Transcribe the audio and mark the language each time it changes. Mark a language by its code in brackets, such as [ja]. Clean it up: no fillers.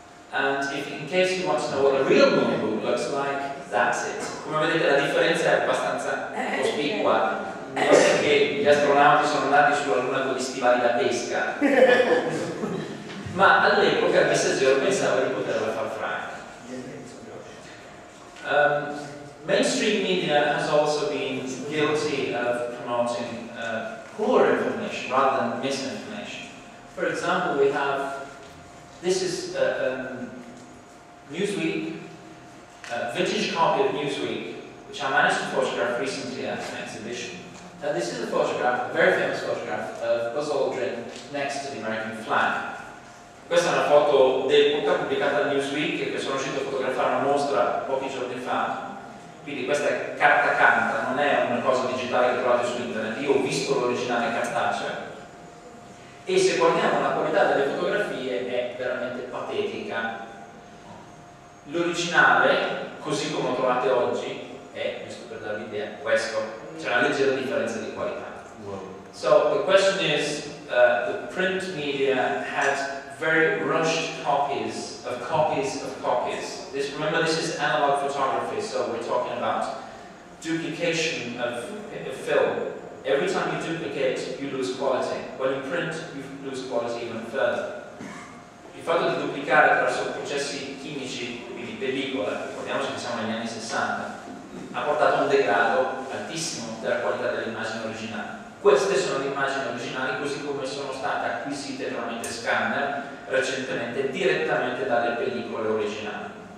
[en] And if, in case you want to know what a real moon boot looks like, that's it. [it] Come vedete, la differenza è abbastanza cospicua. Non so che gli astronauti sono andati su una luna con gli stivali da pesca. Ma all'epoca il messaggero pensava di poterla far franca. [en] Mainstream media has also been guilty of promoting poor information rather than misinformation. For example, we have, this is Newsweek, a vintage copy of Newsweek, which I managed to photograph recently at an exhibition. Now this is a photograph, a very famous photograph, of Buzz Aldrin next to the American flag. [it] Questa è una foto dell'epoca pubblicata da Newsweek e che sono riuscito a fotografare una mostra pochi giorni fa. Quindi questa è carta canta, non è una cosa digitale che trovate su internet. Io ho visto l'originale cartacea. E se guardiamo la qualità delle fotografie è veramente patetica. L'originale, così come lo trovate oggi, è, giusto per darvi l'idea, questo. C'è una leggera differenza di qualità. [en] So, the question is, the print media had very rushed copies of copies of copies. This, remember, this is analog photography, so we're talking about duplication of film. Every time you duplicate, you lose quality. When you print, you lose quality even further. [it] Il fatto di duplicare attraverso processi chimici, quindi pellicola, ricordiamoci che siamo negli anni 60, ha portato a un degrado altissimo della qualità dell'immagine originale. Queste sono le immagini originali così come sono state acquisite tramite scanner recentemente direttamente dalle pellicole originali.